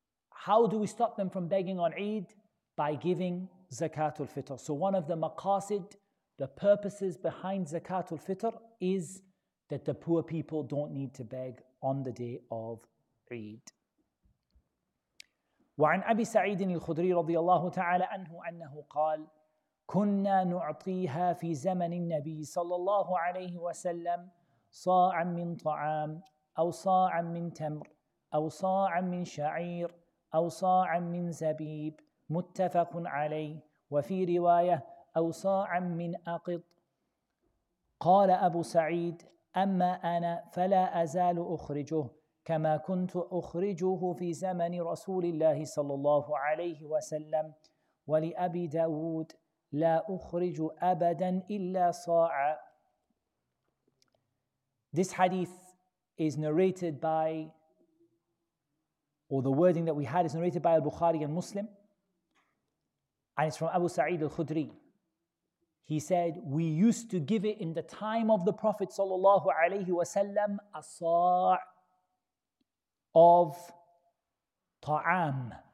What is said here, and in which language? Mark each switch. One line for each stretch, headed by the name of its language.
English: How do we stop them from begging on Eid? By giving Zakatul Fitr. So one of the maqasid, the purposes behind Zakatul Fitr is that the poor people don't need to beg on the day of Eid.
Arabic: وعن أبي سعيد الخدري رضي الله تعالى عنه أنه قال كنا نعطيها في زمن النبي صلى الله عليه وسلم صاعا من طعام أو صاعا من تمر أو صاعا من شعير أو صاعا من زبيب متفق عليه وفي رواية أو صاعا من أقط. قال أبو سعيد أما أنا فلا أزال أخرجه كما كنت أخرجه في زمن رسول الله صلى الله عليه وسلم ولأبي داود لا أخرج أبدا إلا صاعا.
English: This hadith is narrated by, or the wording that we had is narrated by Al-Bukhari and Muslim, and it's from Abu Sa'id Al-Khudri. He said, we used to give it in the time of the Prophet sallallahu alayhi wa sallam a sa' of ta'am.